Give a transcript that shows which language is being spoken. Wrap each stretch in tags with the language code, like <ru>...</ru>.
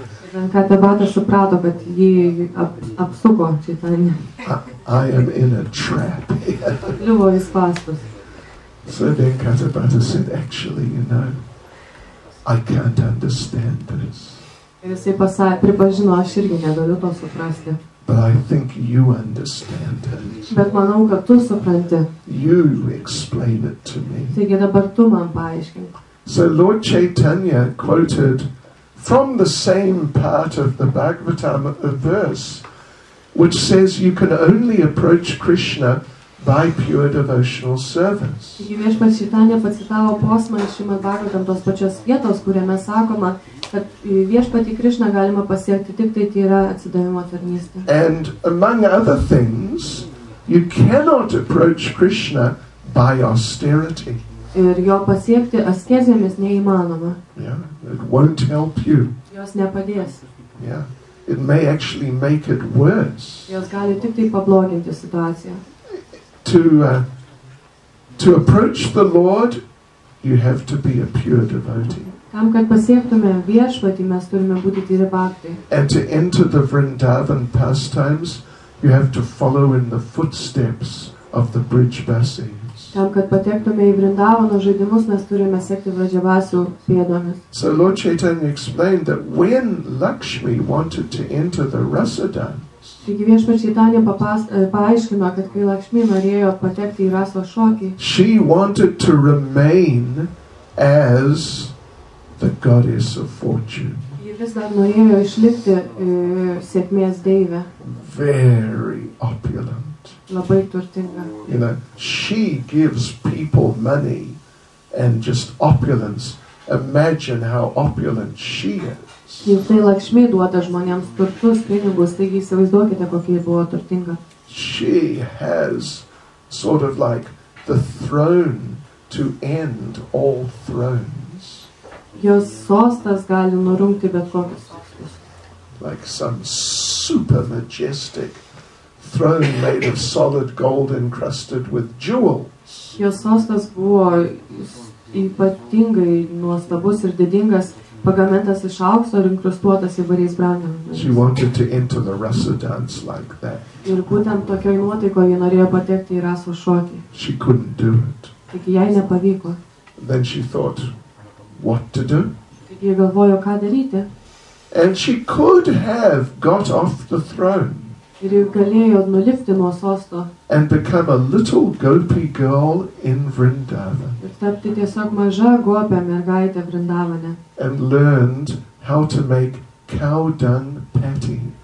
<lt>Venkata Bhatta suprato, kad jį apsuko Chaitanya.</lt> <en>I am in a trap.</en> <lt>Pakliuvo į spąstus.</lt> <en>So Venkata Bhatta said, actually, you know, I can't understand this.</en> <lt>Ir jisai pripažino, aš irgi negaliu to suprasti.</lt> <en>But I think you understand it.</en> <lt>Bet manau, kad tu supranti.</lt> <en>You explain it to me.</en> <lt>Taigi dabar tu man paaiškink.</lt> <en>So Lord Chaitanya quoted from the same part of the Bhagavatam, a verse which says you can only approach Krishna by pure devotional service.</en> <lt>Viešpats Chaitanya pacitavo posmą iš Šrimad Bhagavatam tos pačios vietos, kuriame sakoma, kad viešpatį Krishna galima pasiekti tik tai tyra atsidavimo tarnystė.</lt> <en>And among other things, you cannot approach Krishna by austerity.</en> <lt>Ir jo pasiekti askezėmis neįmanoma.</lt> <en>Yeah, it won't help you.</en> <lt>Jos nepadės.</lt> <en>Yeah, it may actually make it worse.</en> <lt>Jos gali tik tai pabloginti situaciją.</lt> <en>To approach the Lord, you have to be a pure devotee.</en> <lt>Tam, kad pasiektume viešpatį, mes turime būti tyri bhakti.</lt> <en>And to enter the Vrindavan pastimes, you have to follow in the footsteps of the bridge basis.</en> <lt>Tam, kad patektume į Vrindavano žaidimus, mes turime sekti Vrajavasių pėdomis.</lt> <en>So Lord Chaitanya explained that when Lakshmi wanted to enter the rasa dance,</en> <lt>Taigi viešpats Šeitanė paaiškino, kad kai Lakšmi norėjo patekti į raso šokį,</lt> <en>she wanted to remain as the goddess of fortune.</en> <lt>Ji vis dar norėjo išlikti sėkmės deivė.</lt> <en>Very opulent.</en> <lt>Labai turtinga.</lt> <en>You know, she gives people money and just opulence. Imagine how opulent she is.</en> <lt>Ir tai Lakšmi duoda žmonėms turtus, pinigus, taigi įsivaizduokite, kokia ji buvo turtinga.</lt> <en>She has sort of like the throne to end all thrones.</en> <lt>Jos sostas gali nurungti bet kokius sostus.</lt> <en>Like some super majestic throne made of solid gold encrusted with jewels.</en> <lt>Jos sostas buvo ypatingai nuostabus ir didingas, pagamentas iš aukso ir inkrustuotas įvairiais brangenimis. Ir būtent tokioj nuotaikoje ji norėjo patekti į raso šokį.</lt> <en>She couldn't do it.</en> <lt>Tik jai nepavyko.</lt> <en>Then she thought, what to do?</en> <lt>Tik ji galvojo, ką daryti.</lt> <en>And she could have got off the throne.</en> <lt>Ir ji galėjo nulipti nuo sosto.</lt> <en>And become a little gopi girl in Vrindavan.</en> <lt>Ir tapti tiesiog maža gopė mergaitė Vrindavane.</lt> <en>And learned how to make cow dung patties.</en>